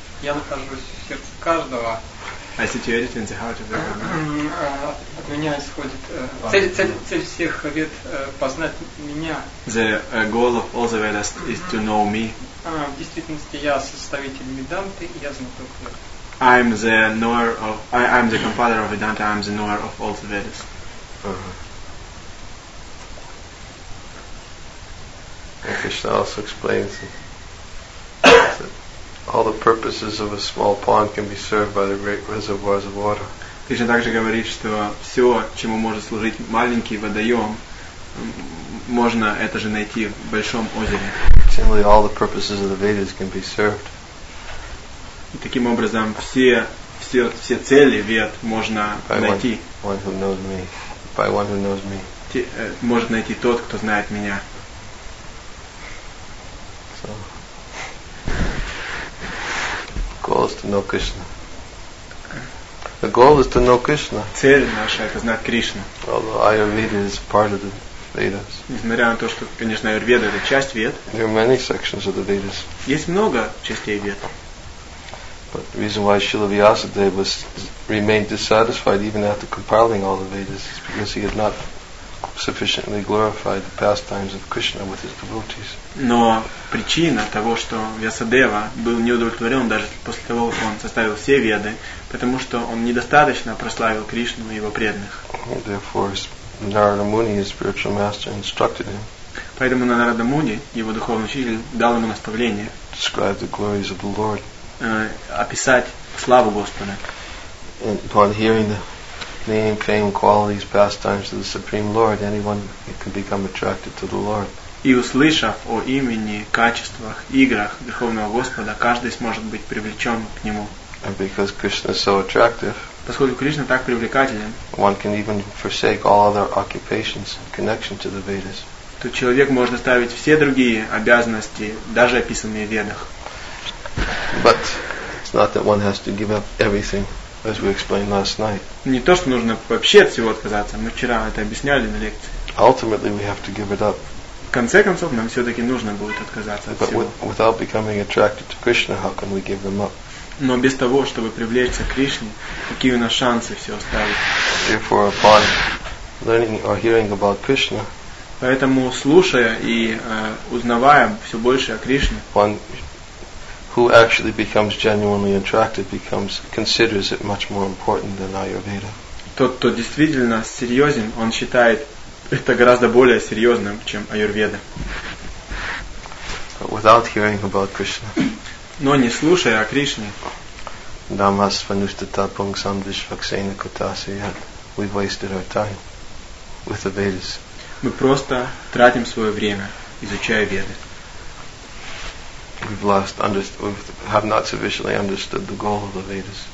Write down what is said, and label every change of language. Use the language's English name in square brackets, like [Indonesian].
[Russian] Я нахожусь в сердце каждого. [English] I situated in the heart of everyone. [Russian] От меня исходит цель всех вед познать меня. [English] The goal of all the Vedas is to know me. [Russian] В действительности я составитель Веданты, я знаток Вед. [English] I'm the knower of. I'm the compiler of Vedanta. I'm the knower of all the Vedas. And Krishna also explains that, that all the purposes of a small pond can be served by the great reservoirs of water. [Russian] Krishna также говорит, что все, чему может служить маленький водоем, можно это же найти в большом озере. [English] Similarly, all the purposes of the Vedas can be served. [Russian] И таким образом все цели вед можно найти. [English] One who knows me. By one who knows me. [Russian] Может найти тот, кто знает меня. [English] So, goal is to know Krishna. The goal is to know Krishna. [Russian] Цель наша это знать Кришну. [English] Although Ayurveda is part of the Vedas. [Russian] Несмотря на то, что, конечно, Аюрведа это часть вед. [English] There are many sections of the Vedas. [Russian] Есть много частей вед. [English] But the reason why Śrīla Vyāsadeva remained dissatisfied even after compiling all the Vedas is because he had not sufficiently glorified the pastimes of Krishna with his devotees. [Russian] Но причина того, что Вьясадева был неудовлетворен даже после того, как он составил все Веды, потому что он недостаточно прославил Кришну и его преданных. [English] Therefore, Narada Muni, his spiritual master, instructed him. [Russian] Поэтому Нарада Муни, его духовный учитель, дал ему наставление. [English] Describe the glories of the Lord. [Russian] Описать славу Господа. [English] And upon hearing the name, fame, qualities, pastimes of the Supreme Lord, anyone can become attracted to the Lord. [Russian] И услышав о имени, качествах, играх Верховного Господа, каждый сможет быть привлечен к Нему. [English] And because Krishna is so attractive, [Russian] поскольку Кришна так привлекателен, [English] one can even forsake all other occupations in connection to the Vedas. [Russian] То человек может оставить все другие обязанности, даже описанные в Ведах. [English] But it's not that one has to give up everything, as we explained last night. [Russian] Не то, что нужно вообще от всего отказаться. Мы вчера это объясняли на лекции. [English] Ultimately, we have to give it up. [Russian] В конце концов, нам все-таки нужно будет отказаться от всего. [English] But without becoming attracted to Krishna, how can we give them up? [Russian] Но без того, чтобы привлечься к Кришне, какие у нас шансы все оставить? [English] Therefore, upon learning or hearing about Krishna. [Russian] Поэтому, слушая и узнавая все больше о Кришне, [English] who actually becomes genuinely attracted becomes considers it much more important than Ayurveda. [Russian] Тот, кто действительно серьезен, он считает это гораздо более серьезным, чем Аюрведа. [English] But without hearing about Krishna. [Russian] Но не слушая о Кришне. [Sanskrit] Дамас фанустата пунгсам дишваксейна кутасият. [English] We wasted our time with the Vedas. [Russian] Мы просто тратим свое время, изучая Веды. [English] We have not sufficiently understood the goal of the Vedas.